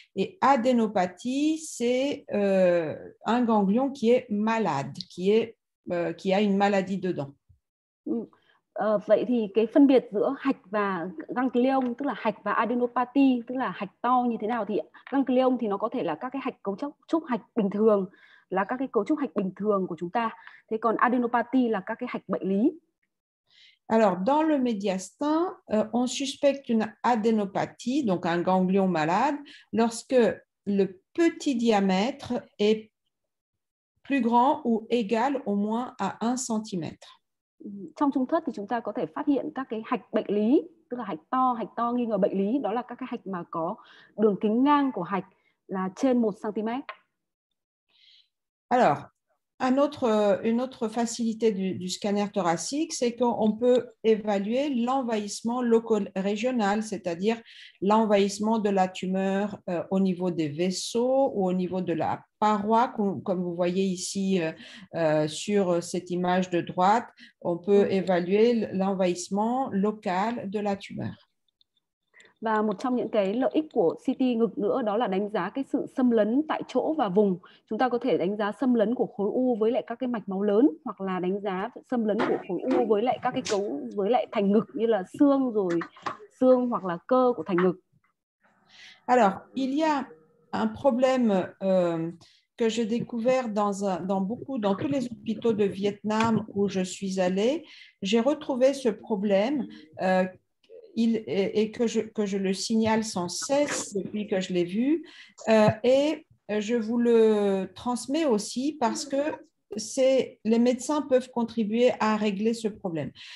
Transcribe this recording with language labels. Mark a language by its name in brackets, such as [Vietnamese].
[French] Et adénopathie, c'est un ganglion qui est malade, qui a une maladie dedans. [Vietnamese] Vậy thì cái phân biệt giữa hạch và ganglion, tức là hạch và adénopathie, tức là hạch to như thế nào, thì ganglion thì nó có thể là các cái hạch cấu trúc hạch bình thường, là các cái cấu trúc hạch bình thường của chúng ta. Thế còn adenopathie là các cái hạch bệnh lý. [French] Alors dans le médiastin, on suspecte une adenopathie, donc un ganglion malade, lorsque le petit diamètre est plus grand ou égal au moins à 1 cm. [Vietnamese] Trong trung thất thì chúng ta có thể phát hiện các cái hạch bệnh lý, tức là hạch to nghi ngờ bệnh lý, đó là các cái hạch mà có đường kính ngang của hạch là trên 1 cm. [French] Alors, une autre facilité du scanner thoracique, c'est qu'on peut évaluer l'envahissement loco-régional, c'est-à-dire l'envahissement de la tumeur au niveau des vaisseaux ou au niveau de la paroi, comme vous voyez ici sur cette image de droite. On peut évaluer l'envahissement local de la tumeur. [Vietnamese] Và một trong những cái lợi ích của CT ngực nữa đó là đánh giá cái sự xâm lấn tại chỗ và vùng. Chúng ta có thể đánh giá xâm lấn của khối u với lại các cái mạch máu lớn, hoặc là đánh giá xâm lấn của khối u với lại các cái cấu, với lại thành ngực như là xương, rồi xương hoặc là cơ của thành ngực. Alors, il y a un problème que j'ai découvert dans tous les hôpitaux de Vietnam où je suis allée. J'ai retrouvé ce problème et que je le signale sans cesse depuis que je l'ai vu, et je vous le transmets aussi parce que les médecins peuvent contribuer à régler ce problème.